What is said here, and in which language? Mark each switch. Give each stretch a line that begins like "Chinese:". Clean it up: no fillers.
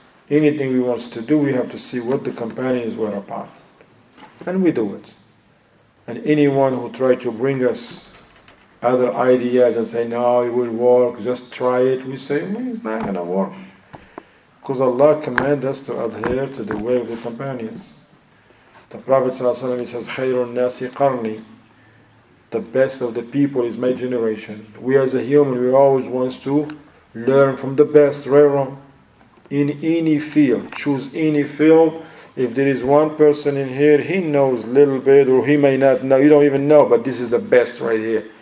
English: Anything we want to do, we have to see what the companions were upon. And we do it. And anyone who tried to bring us other ideas and say, no, it will work, just try it, we say, well, it's not going to work. Because Allah commands us to adhere to the way of the companions. The Prophet ﷺ says,
Arabic: خَيْرُ النَّاسِ قَرْنِي.
English: The best of the people is my generation. We as a human, we always want to learn from the best, right? Wrong. In any field, choose any field. If there is one person in here, he knows a little bit, or he may not know, you don't even know, but this is the best right here.